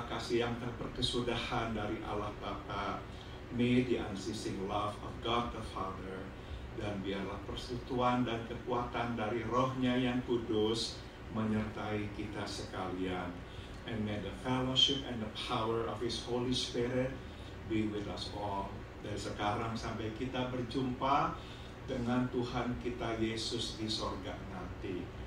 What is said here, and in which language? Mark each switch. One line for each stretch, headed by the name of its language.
Indonesian: yang terperkesudahan dari Allah Bapa,
English: may the unceasing love of God the Father,
Indonesian: dan biarlah persekutuan dan kekuatan dari Roh-Nya yang kudus menyertai kita sekalian.
English: And may the fellowship and the power of His Holy Spirit be with us all.
Indonesian: Dari sekarang sampai kita berjumpa dengan Tuhan kita Yesus di sorga nanti.